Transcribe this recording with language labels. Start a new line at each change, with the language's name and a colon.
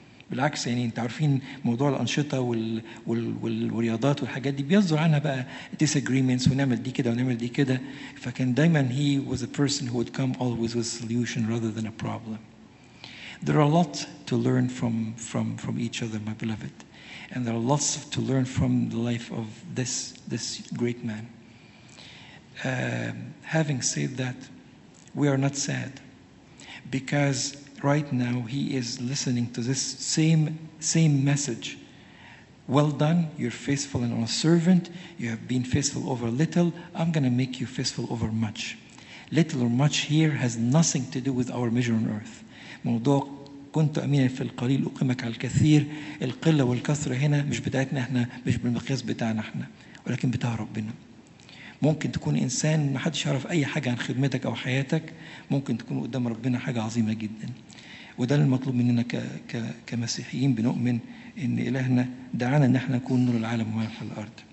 Arabic: بالعكس يعني انت عارفين موضوع الانشطه والرياضات والحاجات دي بيصدر عنها بقى disagreements ونعمل دي كده ونعمل دي كده فكان دايما
English: he was a person who would come always with a solution rather than a problem. There are a lot to learn from each other, my beloved, and there are lots to learn from the life of this great man. Having said that, we are not sad because right now he is listening to this same message. Well done, you're faithful and honest servant. You have been faithful over little. I'm going to make you faithful over much. Little or much here has nothing to do with our measure on earth.
Arabic: موضوع كنت أمينا في القليل أقيمك على الكثير. القلة والكثرة هنا مش بتاعتنا احنا مش بالمقياس بتاعنا احنا ولكن بتاع ربنا. ممكن تكون إنسان ما حدش يعرف أي حاجة عن خدمتك أو حياتك ممكن تكون قدام ربنا حاجة عظيمة جدا وده المطلوب مننا كمسيحيين بنؤمن إن إلهنا دعانا إن احنا نكون نور العالم وملح الأرض.